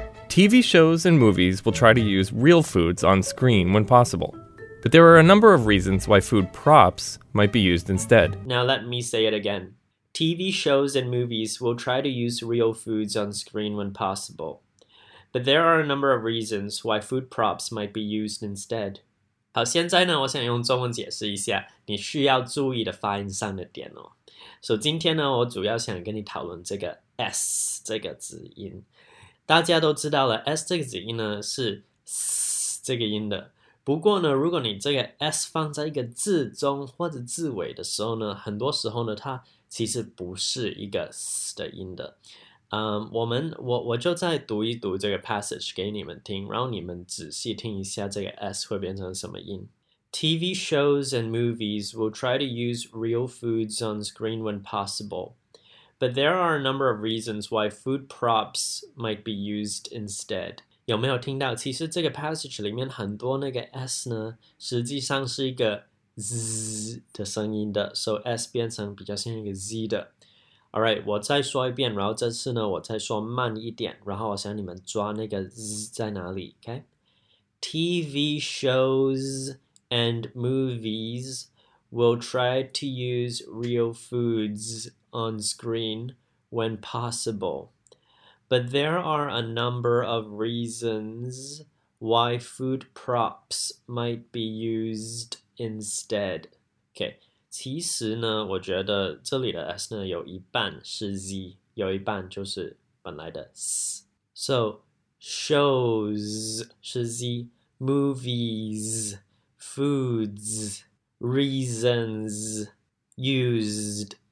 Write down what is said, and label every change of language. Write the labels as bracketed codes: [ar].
[en] TV shows and movies will try to use real foods on screen when possible. But there are a number of reasons why food props might be used instead. Now let me say it again. TV shows and movies will try to use real foods on screen when possible. But there are a number of reasons why food props might be used instead. [zh] 好，现在呢，我想用中文解释一下你需要注意的发音上的点哦。 So, 今天呢，我主要想跟你讨论这个 S 这个子音。大家都知道了 ，S 这个子音呢是 S 这个音的。不过呢，如果你这个 S 放在一个字中或者字尾的时候呢，很多时候呢，它其实不是一个 S 的音的。我就再读一读这个 passage 给你们听，然后你们仔细听一下这个 S 会变成什么音。 [en] TV shows and movies will try to use real foods on screen when possible, but there are a number of reasons why food props might be used instead. [zh] 有没有听到？其实这个 passage 里面很多那个 S 呢，实际上是一个 Z 的声音的，所以 S 变成比较像一个 Z 的。 Alright, 我再说一遍，然后这次呢，我再说慢一点，然后我想你们抓那个 z 在哪里 ，okay? [en] TV shows and movies will try to use real foods on screen when possible, but there are a number of reasons why food props might be used instead. Okay. [zh] 其实呢，我觉得这里的 S 呢有一半是 Z， 有一半就是本来的 S。 [en] So shows 是 Z， movies， foods， reasons， used。